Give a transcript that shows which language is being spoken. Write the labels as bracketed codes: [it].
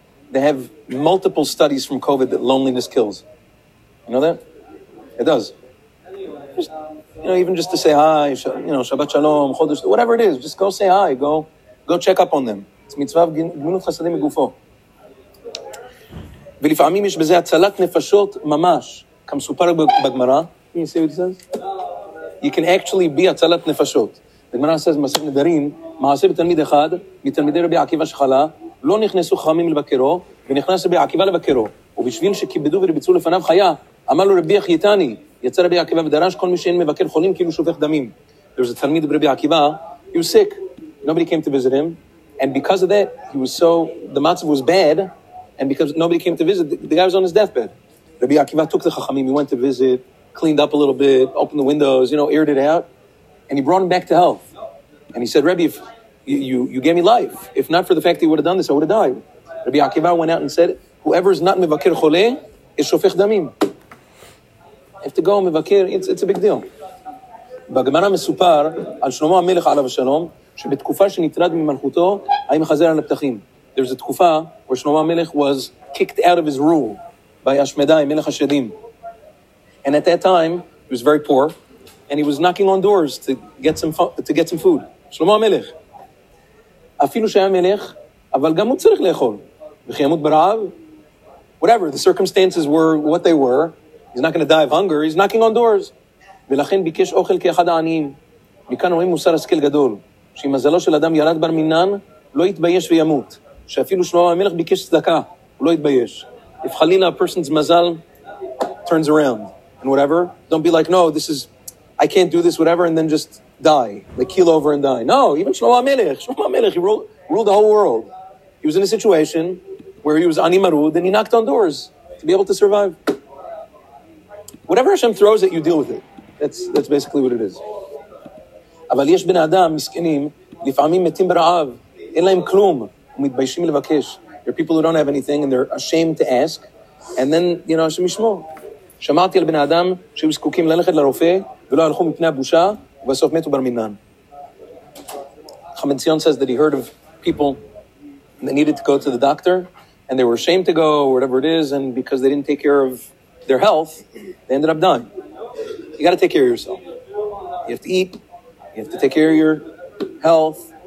[en] They have multiple studies from COVID that loneliness kills. You know that? It does. Just, you know, even just to say hi, you know, Shabbat Shalom, Chodesh, whatever it is, just go say hi, go check up on them. [he] It's mitzvah gminut chasadim megufo. ולפעמים יש בזה הצלת נפשות ממש, כמסופר בגמרא. [en] Can you see what it says? You can actually be [he] הצלת נפשות. הגמרא [en] says, [he] מסך נדרים, מעשה בתלמיד אחד, מתלמידי רבי עקיבא שחלה, לא נכנסו חכמים לבקרו, ונכנס רבי עקיבא לבקרו. ובשביל שכיבדו ורביצו לפניו חיה, אמר לו רבי יחייתני, יצא רבי עקיבא ודרש כל מי שאין מבקר חולים כאילו שופך דמים. [en] There was a [he] תלמיד ברבי עקיבא, [en] He was sick. Nobody came to visit him. And because of that, he was so, the matzav was bad. And because nobody came to visit, the guy was on his deathbed. Rabbi Akiva took the chachamim, he went to visit, cleaned up a little bit, opened the windows, you know, aired it out. And he brought him back to health. And he said, Rabbi, if you gave me life. If not for the fact that you would have done this, I would have died. Rabbi Akiva went out and said, whoever is not mevakir chole, is shofech damim. If to go mevakir, it's a big deal. [he] בגמרא מסופר על שלמה המלך עליו השלום שבתקופה שנטרד ממלכותו היה מחזר על הפתחים. [en] There's a תקופה where שלמה המלך was kicked out of his rule by השמדאי, מלך השדים. And at that time, he was very poor and he was knocking on doors to get some food. [he] שלמה המלך. אפילו שהיה מלך, אבל גם הוא צריך לאכול. וחיימות ברעב. [en] Whatever, the circumstances were what they were. He's not going to die of hunger, he's knocking on doors. [he] ולכן ביקש אוכל כאחד העניים. מכאן רואים מוסר השכל גדול, שמזלו של אדם ירד בר מינן, לא יתבייש וימות. שאפילו שלמה המלך ביקש צדקה, הוא לא יתבייש. [en] If חלילה a person's מזל turns around, and whatever, don't be like, no, this is, I can't do this, whatever, and then just die. Like, keel over and die. No, even שלמה המלך, he ruled the whole world. He was in a situation where he was ani marud, and he knocked on doors to be able to survive. Whatever Hashem throws at you, deal with it. That's basically what it is. [he] אבל יש בן אדם מסכנים לפעמים מתים ברעב, אין להם כלום, ומתביישים לבקש. [en] There are people who don't have anything and they're ashamed to ask. And then, you know, שמשמו. [he] שמעתי על בן אדם שהיו זקוקים ללכת לרופא ולא הלכו מפני הבושה, ובסוף מתו בר מינן. [en] חמד ציון says that he heard of people that needed to go to the doctor and they were ashamed to go, or whatever it is, and because they didn't take care of their health, they ended up dying. You got to take care of yourself. You have to eat. You have to take care of your health.